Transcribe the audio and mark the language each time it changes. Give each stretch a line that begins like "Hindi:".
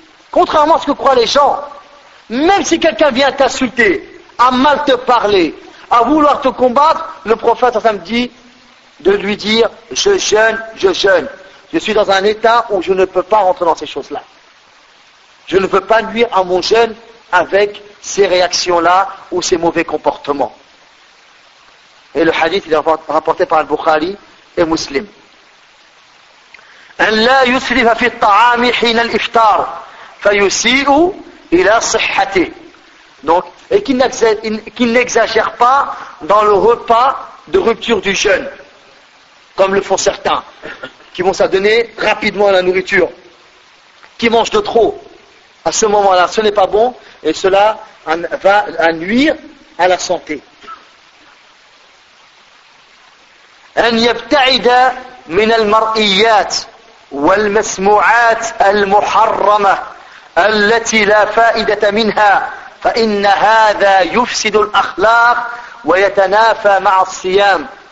French: Contrairement à ce que croient les gens, même si quelqu'un vient t'insulter, à mal te parler, à vouloir te combattre, le prophète a dit de lui dire « je jeûne, je jeûne. Je suis dans un état où je ne peux pas rentrer dans ces choses-là. Je ne peux pas nuire à mon jeûne avec ces réactions-là ou ces mauvais comportements. » Et le hadith il est rapporté par Al-Bukhari et Muslim.
Arabic: أن لا يسرف في الطعام حين الإفطار فيسيء إلى صحته.
French: Donc, et qu'il n'exagère pas dans le repas de rupture du jeûne, comme le font certains, qui vont s'adonner rapidement à la nourriture, qui mangent de trop. À ce moment-là, ce n'est pas bon, et cela va nuire à la santé.
Arabic: أن يبتعد من المرئيات والمسموعات المحرمة التي لا فائدة منها فإن هذا يفسد الأخلاق ويتنافى مع الصيام.